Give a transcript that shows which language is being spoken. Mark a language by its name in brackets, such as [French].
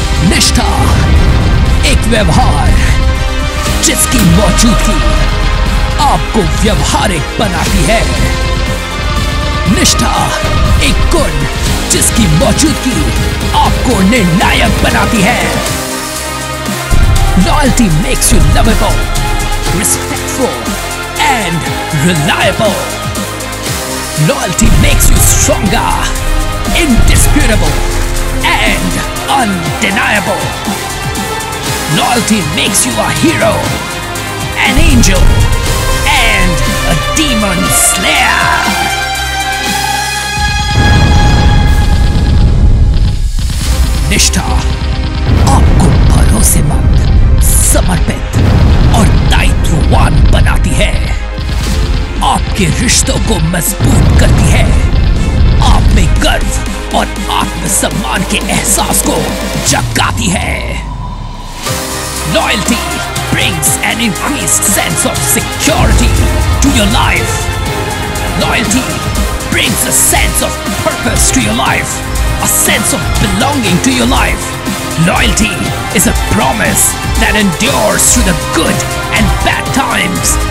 [Hindi] निष्ठा, एक व्यवहार जिसकी मौजूदगी आपको व्यवहारिक बनाती है। निष्ठा, एक गुण जिसकी मौजूदगी आपको निर्णायक बनाती है। [English] Loyalty makes you lovable, respectful and reliable. Loyalty makes you stronger, indisputable and undeniable. Loyalty makes you a hero, an angel and a demon slayer. [Hindi] निष्ठा आपको भरोसेमंद, समर्पित और दायित्ववान बनाती है। आपके रिश्तों को मजबूत करती है। आप में गर्व और आत्मसम्मान के एहसास को जगाती है। [English] Loyalty brings an increased sense of security to your life. Loyalty brings a sense of purpose to your life. A sense of belonging to your life. Loyalty is a promise that endures through the good and bad times.